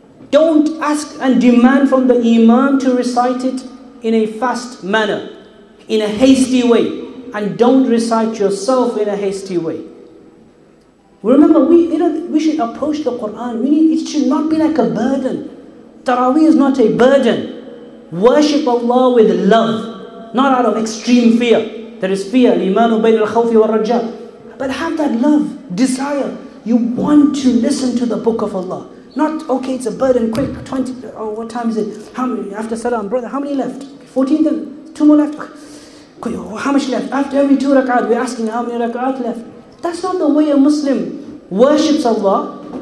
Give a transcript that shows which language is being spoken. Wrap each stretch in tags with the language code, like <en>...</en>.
<en>Don't ask and demand from the imam to recite it in a fast manner, in a hasty way. And don't recite yourself in a hasty way. Remember, we should approach the Quran. It should not be like a burden. Taraweeh is not a burden. Worship Allah with love, not out of extreme fear. There is fear,</en> <ar>الإيمان بين الخوف والرجاء.</ar> <en>But have that love, desire. You want to listen to the book of Allah. Not, okay, it's a burden, quick, 20, oh, what time is it? How many, after salam, brother, how many left? 14 then, two more left. How much left? After every two rak'at, we're asking how many rak'at left. That's not the way a Muslim worships Allah.</en>